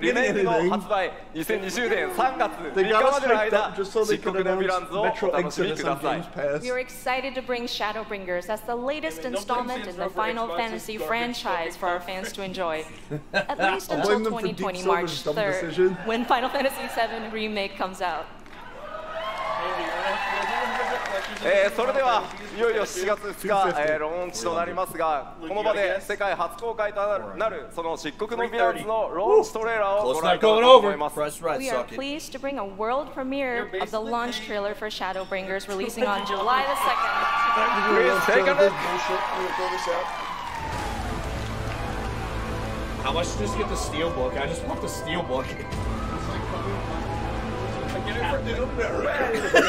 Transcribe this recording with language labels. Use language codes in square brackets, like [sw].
[ja] リメイクの発売2020年3月3日までの間、漆黒のヴィランズをお楽しみください。 [en] We are excited to bring Shadowbringers as the latest installment in the Final Fantasy franchise for our fans to enjoy at least until 2020 March 3rd when Final Fantasy VII Remake comes out. [ja] それではいよいよ7月2日、ローンチとなりますが、この場で世界初公開となるその漆黒のヴィランズのローンチトレーラーをご覧いただきます。 [en] We are pleased to bring a world premiere of the launch trailer for Shadowbringers releasing on July the 2nd. Please take a look. I want to just get the steelbook. I just want the steelbook. I get it from the American.